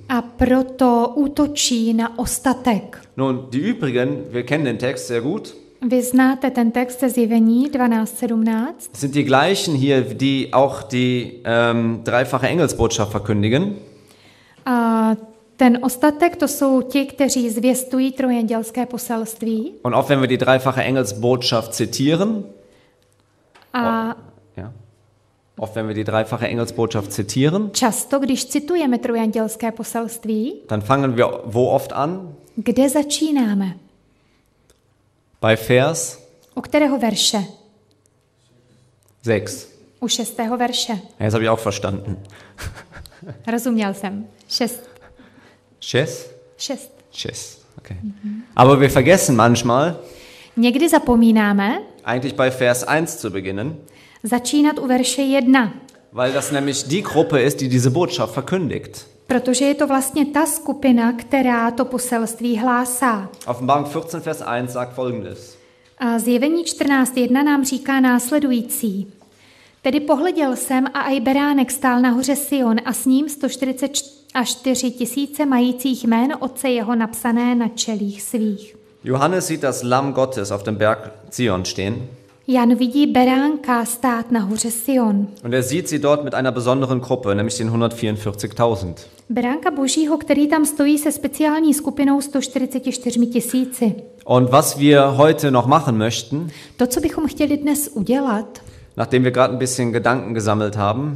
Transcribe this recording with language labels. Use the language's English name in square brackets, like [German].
[Czech] A proto útočí na ostatek. [German] Nun, die übrigen, wir kennen den Text sehr gut. [Czech] Vy znáte ten text ze Zjevení 12:17. [German] Sind die gleichen hier, die auch die dreifache Engelsbotschaft verkündigen? [Czech] A ten ostatek, to jsou ti, kteří zvěstují trojandělské poselství. [German] Und auch wenn wir die dreifache Engelsbotschaft zitieren. Auch wenn wir die dreifache Engelsbotschaft zitieren. [Czech] Často, když citujeme trojandělské poselství. [German] Dann fangen wir wo oft an? [Czech] Kde začínáme? [German] Bei Vers? [Czech] U kterého verše? [German] 6. [Czech] U 6. verše. [German] Jetzt habe ich auch verstanden. [Czech] Rozuměl jsem. 6. 6? 6. 6. Okay. Mm-hmm. [German] Aber wir vergessen manchmal. [Czech] Někdy zapomínáme. [German] Eigentlich bei Vers 1 zu beginnen. [Czech] Začínat u verše 1. [German] Weil das nämlich die Gruppe ist, die diese Botschaft verkündigt. [Czech] Protože je to vlastně ta skupina, která to poselství hlásá. [German] Offenbarung 14 Vers 1 sagt folgendes. [Czech] A Zjevení 14:1 nám říká následující. Tedy pohleděl jsem a aj beránek stál nahoře Sion a s ním 144 tisíce majících jméno Otce jeho napsané na čelích svých. [German] Johannes sieht das Lamm Gottes auf dem Berg Zion stehen. [Czech] Jan vidí beránka stát nahoře Sion. [German] Und sieht sie dort mit einer besonderen Gruppe, nämlich den 144.000. [Czech] Beránka Božího, který tam stojí se speciální skupinou 144 tisíci. [German] Und was wir heute noch machen möchten? [Czech] To, co bychom chtěli dnes udělat. [German] Nachdem wir gerade ein bisschen Gedanken gesammelt haben.